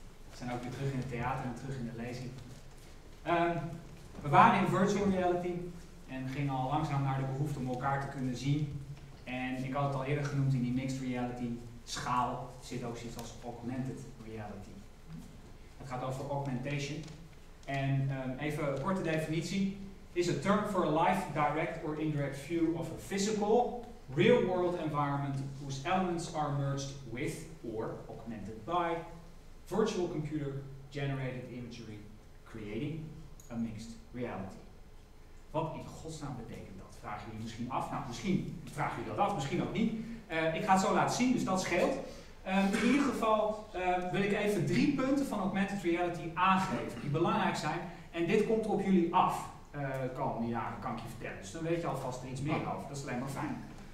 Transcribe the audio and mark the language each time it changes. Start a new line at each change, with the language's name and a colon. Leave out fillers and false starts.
Dutch: We zijn ook weer terug in het theater en terug in de lezing. We waren in virtual reality en gingen al langzaam naar de behoefte om elkaar te kunnen zien. En ik had het al eerder genoemd, in die mixed reality schaal zit ook zoiets als augmented reality. Het gaat over augmentation. En even een korte definitie.
English: Is a term for a live, direct or indirect view of a physical, real-world environment whose elements are merged with or augmented by virtual computer-generated imagery, creating a mixed reality.
Dutch: Wat in godsnaam betekent dat? Vragen jullie misschien af? Nou, misschien vragen jullie dat af, misschien ook niet. Ik ga het zo laten zien, dus dat scheelt. In ieder geval wil ik even drie punten van augmented reality aangeven die belangrijk zijn. En dit komt op jullie af. Komende jaren kan ik je vertellen. Dus dan weet je alvast er iets meer over. Dat is alleen maar fijn.